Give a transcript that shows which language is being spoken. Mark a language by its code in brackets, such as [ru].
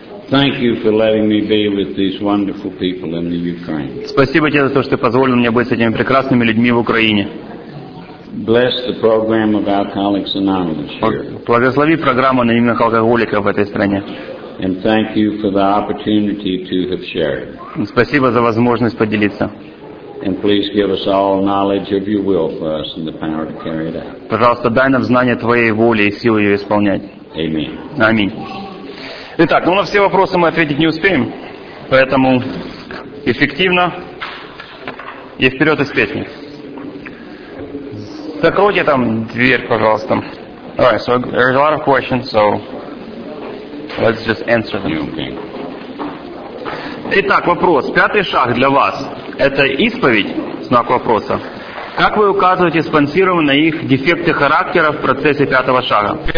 [en] Thank you for letting me be with these wonderful people in the Ukraine. [ru] Спасибо тебе за то, что ты позволил мне быть с этими прекрасными людьми в Украине. [en] Bless the program of Alcoholics Anonymous here. [ru] Благослови программу анонимных алкоголиков в этой стране. [en] And thank you for the opportunity to have shared. [ru] Спасибо за возможность поделиться. [en] And please give us all knowledge of your will for us and the power to carry it out. [ru] Пожалуйста, дай нам знание твоей воли и силу ее исполнять. Аминь. Аминь. Итак, ну на все вопросы мы ответить не успеем, поэтому эффективно и вперед из песни. Закройте там дверь, пожалуйста. [en] All right, so there's a lot of questions, so let's just answer them. [ru] Итак, вопрос. Пятый шаг для вас – это исповедь, знак вопроса. Как вы указываете спонсорам на их дефекты характера в процессе пятого шага?